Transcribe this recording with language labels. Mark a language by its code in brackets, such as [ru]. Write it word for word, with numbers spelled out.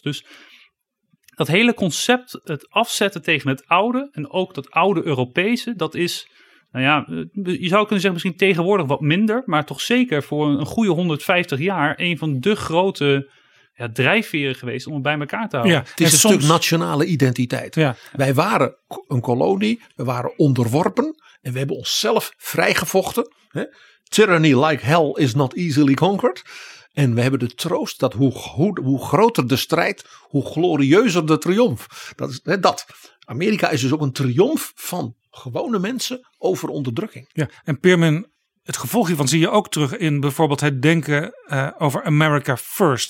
[nl] Dus dat hele concept, het afzetten tegen het oude en ook dat oude Europese, dat is, nou ja, je zou kunnen zeggen misschien tegenwoordig wat minder, maar toch zeker voor een goede honderdvijftig jaar een van de grote ja, drijfveren geweest om het bij elkaar te houden. Ja, het is en een soms stuk nationale identiteit. Ja. Wij waren een kolonie, we waren onderworpen en we hebben onszelf vrijgevochten. Hè? [en] Tyranny like hell is not easily conquered. [nl] En we hebben de troost dat hoe, hoe, hoe groter de strijd, hoe glorieuzer de triomf. Dat is hè, dat. Amerika is dus ook een triomf van gewone mensen over onderdrukking. Ja, en Pirmin het gevolg hiervan zie je ook terug in bijvoorbeeld het denken uh, over America First.